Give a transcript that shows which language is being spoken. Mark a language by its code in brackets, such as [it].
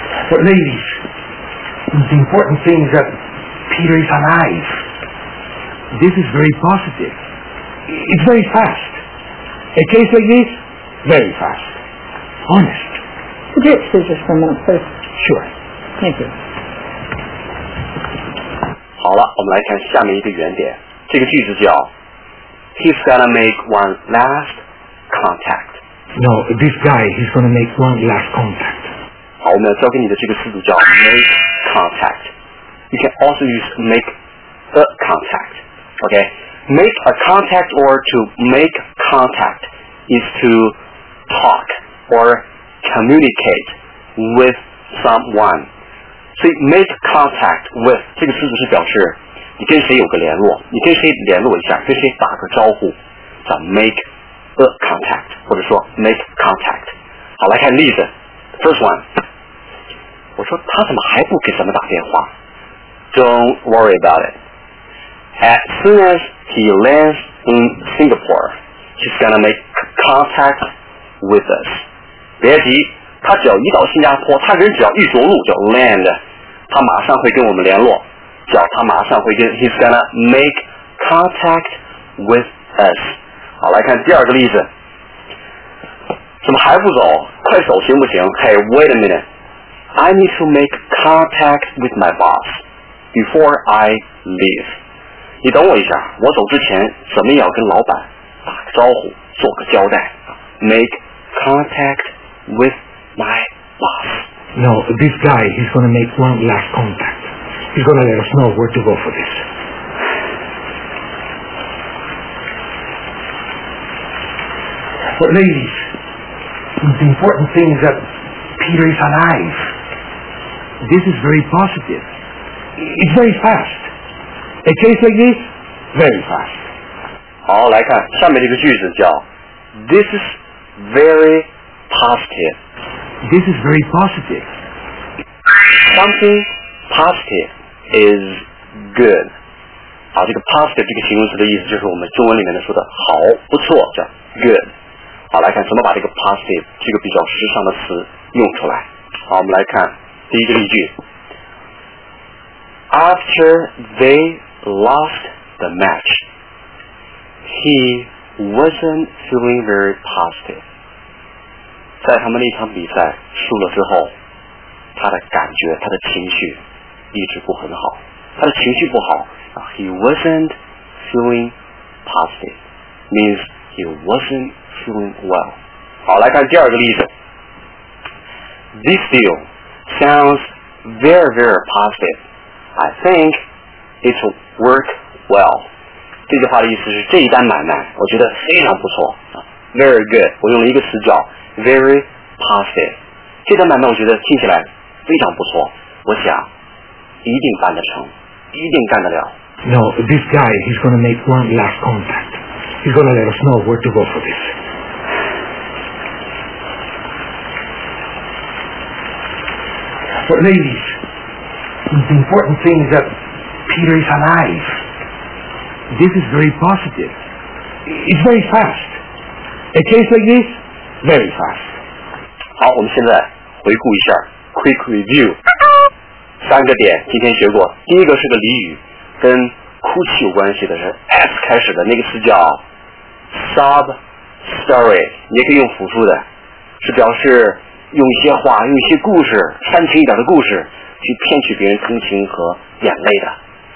[en] But ladies, the important thing is that Peter is alive. This is very positive. It's very fast. A case like this, very fast. Honest. Could you excuse us for a minute, please? Sure. Thank you. [zh] 好了，我们来看下面一个原点。这个句子叫 [en] He's gonna make one last contact. No, this guy, he's gonna make one last contact. [zh] 好，我们要教给你的这个词组叫 make contact. [en] You can also use make a contact. Okay, make a contact or to make contact is to talk or communicate with someone. [zh] 所以 make contact with 这个词组是表示你跟谁有个联络，你跟谁联络一下，跟谁打个招呼，叫 make a contact 或者说 make contact。好，来看例子。 [en] First one， [zh] 我说他怎么还不给咱们打电话。 [en] Don't worry about it. As soon as he lands in Singapore, he's gonna make contact with us. [zh] 别急，他只要一到新加坡，他人只要一着陆叫 land， 他马上会跟我们联络，叫他马上会跟 [en] he's gonna make contact with us。 [zh] 好，来看第二个例子。怎么还不走，快走行不行？ [en] Hey, wait a minute. I need to make contact with my boss before I leave. [zh] 你等我一下，我走之前怎么也要跟老板打个招呼，做个交代。 [en] make contact withMy boss. No, this guy, he's going to make one last contact. He's going to let us know where to go for this. But ladies, the important thing is that Peter is alive. This is very positive. It's very fast. A case like this, very fast. [zh] 好，来看下面这个句子叫 [en] This is very positive. This is very positive. Something positive is good. [zh] 好，这个 positive 这个形容词的意思就是我们中文里面的说的好，不错，叫 good. 好，来看怎么把这个 positive 这个比较时尚的词用出来。好，我们来看第一个例句。 [en] After they lost the match, he wasn't feeling very positive. [zh] 在他们那场比赛输了之后，他的感觉，他的情绪一直不很好，他的情绪不好。 [en] He wasn't feeling positive means he wasn't feeling well. [zh] 好，来看第二个例子。 [en] this deal sounds very, very positive. I think it will work well. [zh] 这句话的意思是这一单买卖我觉得非常不错。 [en] Very good. [zh] 我用了一个词叫 very positive. 这单买卖我觉得听起来非常不错。我想一定办得成，一定干得了。 [en] No, this guy, he's going to make one last contact. He's going to let us know where to go for this. But ladies, the important thing is that Peter is alive. This is very positive. It's very fast. A case like this, very fast. [zh] 好，我们现在回顾一下 [en] quick review. [zh] 三个点今天学过，第一个是个俚语，跟哭泣有关系的，是 S 开始的那个词叫 sob story， 也可以用辅助的，是表示用一些话，用一些故事，煽情一点的故事去骗取别人同情和眼泪的。